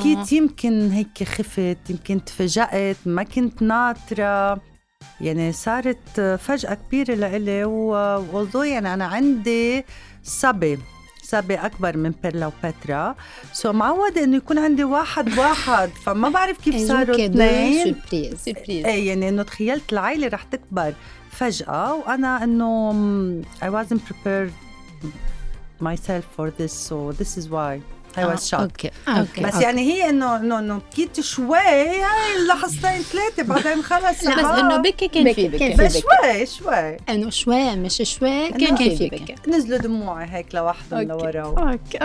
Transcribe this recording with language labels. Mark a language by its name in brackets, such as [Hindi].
[Arabic] بكيت؟ يمكن هيك خفت, يمكن تفاجأت, ما كنت ناطرة, يعني صارت فجأة كبيرة لإلي. والله يعني أنا عندي صبي أكبر من بيرلا وبترا, سو معودة إنه يكون عندي واحد, فما بعرف كيف صاروا اثنين. [English] Surprise. [Arabic] يعني إنه تخيلت العائلة رح تكبر فجأة, وأنا إنه [English] I wasn't prepared myself for this, so this is why I was shocked. [Arabic] أوكي. بس يعني هي إنه بكيت شوي, هاي لحظتين ثلاثة بعدين خلص. لا بس إنه بكي كان في بكي. بس شوي. إنه شوي مش شوي, كان في بكي. نزلوا دموعي هيك لوحدة من لورا.